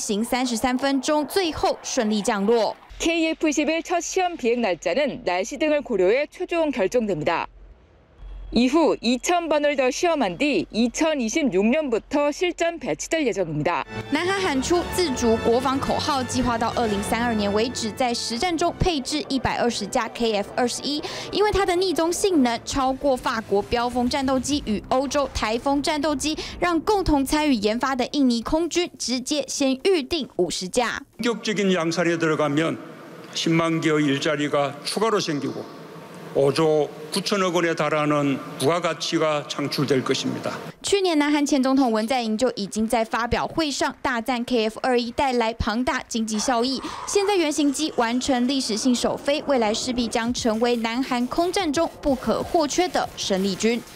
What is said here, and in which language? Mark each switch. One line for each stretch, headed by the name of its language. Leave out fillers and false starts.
Chinese: 南韩自制超音速战机猎鹰是前总统金大中2000年就刻画出的蓝图，历经超过20年研发，19号下午在庆尚南道空军基地挑战首飞。考虑到是第一次，因此并没有启动超音速，时速最高到400公里，飞行33分钟，最后顺利降落。
Korean: KF-21 첫 시험 비행 날짜는 날씨 등을 고려해 최종 결정됩니다. 이후 2,000번을 더 시험한 뒤 2026년부터 실전 배치될 예정입니다.
Chinese: 南韩喊出自主国防口号，计划到2032年为止在实战中配置120架 KF-21， 因为它的逆中性能超过法国飙风战斗机与欧洲台风战斗机，让共同参与研发的印尼空军直接先预定50架。
Korean: 본격적인 양산에 들어가면 10만 개의 일자리가 추가로 생기고 5조 9천억 원에 달하는 부가가치가 창출될 것입니다.
Chinese: 去年南韩前总统文在寅就已经在发表会上大赞 KF-21带来庞大经济效益。现在原型机完成历史性首飞，未来势必将成为南韩空战中不可或缺的生力军。